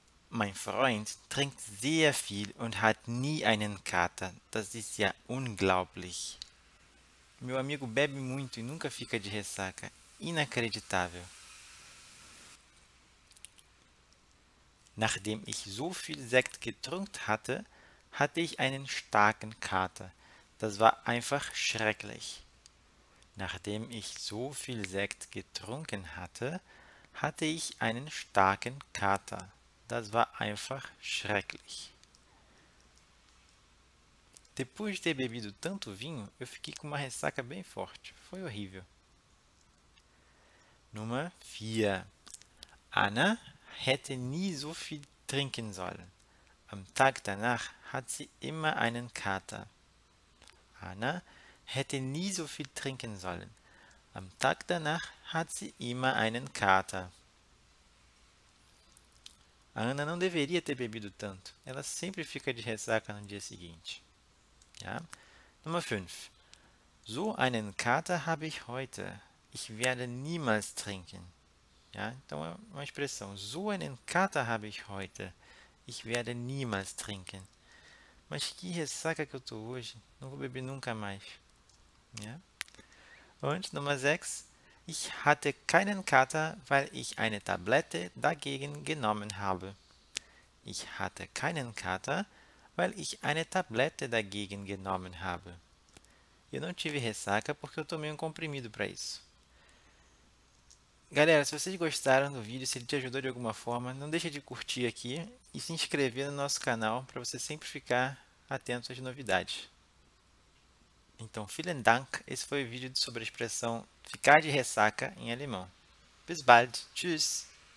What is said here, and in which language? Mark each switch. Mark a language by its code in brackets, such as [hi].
[de] Mein Freund trinkt sehr viel und hat nie einen Kater. Das ist ja unglaublich. [pt] Meu amigo bebe muito e nunca fica de ressaca. Inacreditável. [de] Nachdem ich so viel Sekt getrunken hatte, hatte ich einen starken Kater. Das war einfach schrecklich. Nachdem ich so viel Sekt getrunken hatte, hatte ich einen starken Kater. Das war einfach schrecklich. [pt] Depois de ter bebido tanto vinho, eu fiquei com uma ressaca bem forte. Foi horrível. [de] Nummer 4. Anna hätte nie so viel trinken sollen. Am Tag danach hat sie immer einen Kater. Anna hätte nie so viel trinken sollen. Am Tag danach hat sie immer einen Kater. [pt] Anna não deveria ter bebido tanto. Ela sempre fica de ressaca no dia seguinte. [de] Ja? Nummer 5. So einen Kater habe ich heute. Ich werde niemals trinken. [pt] Ja, então é uma expressão. [de] So einen Kater habe ich heute. Ich werde niemals trinken. [pt] Mas que ressaca que eu tô hoje. Não vou beber nunca mais. [de] Ja. Und Nummer 6. Ich hatte keinen Kater, weil ich eine Tablette dagegen genommen habe. Ich hatte keinen Kater, weil ich eine Tablette dagegen genommen habe. [pt] Eu não tive ressaca porque eu tomei um comprimido para isso. Galera, se vocês gostaram do vídeo, se ele te ajudou de alguma forma, não deixa de curtir aqui e se inscrever no nosso canal para você sempre ficar atento às novidades. Então, [de] vielen Dank. [pt] Esse foi o vídeo sobre a expressão ficar de ressaca em alemão. [de] Bis bald. Tschüss.